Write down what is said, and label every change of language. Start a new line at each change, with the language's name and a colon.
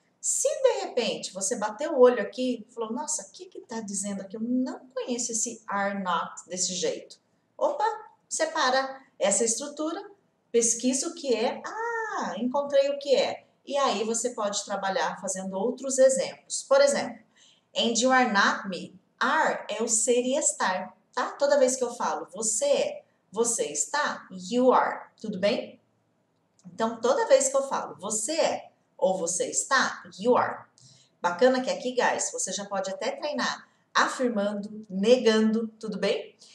Portuguese: Se de repente você bateu o olho aqui e falou, nossa, o que que está dizendo aqui? Eu não conheço esse
English: are not
Portuguese: desse jeito. Opa, separa essa estrutura, pesquisa o que é. Ah, encontrei o que é. E aí você pode trabalhar fazendo outros exemplos. Por exemplo,
English: and you are not me.
Portuguese: Are é o ser e estar, tá? Toda vez que eu falo você é, você está,
English: you are,
Portuguese: tudo bem? Então, toda vez que eu falo você é, ou você está,
English: you are.
Portuguese: Bacana que aqui, guys, você já pode até treinar afirmando, negando, tudo bem?